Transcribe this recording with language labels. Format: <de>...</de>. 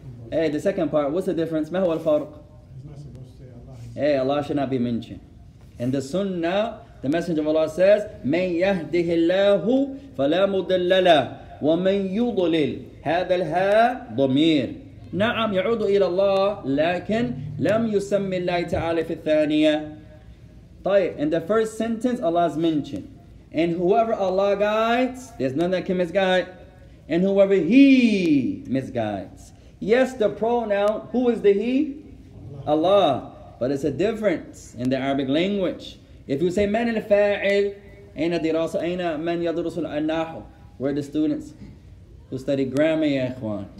<en>Hey, the second part, what's the difference?</en> <ar>ما هو الفرق?</ar> <en>He's not supposed to say Hey, Allah should not be mentioned. In the Sunnah, the Messenger of Allah says,</en> <ar>مَنْ يَهْدِهِ اللَّهُ فَلَا مُدَلَّ لَهُ وَمَنْ يُضْلِلْ هَذَا الْهَا ضمير. نعم يعود إلى الله لكن لم يسمي الله تعالى في الثانية.</ar> <en>طيب, in the first sentence, Allah is mentioned. And whoever Allah guides, there's none that can misguide. And whoever He misguides. Yes, the pronoun, who is the he? Allah. But it's a difference in the Arabic language. If you say,</en> <ar>man al-fa'il, ayna dirasa, ayna man yadrusul al-nahu,</ar> <en>where are the students who study grammar,</en> <ar>ya ikhwan?</ar>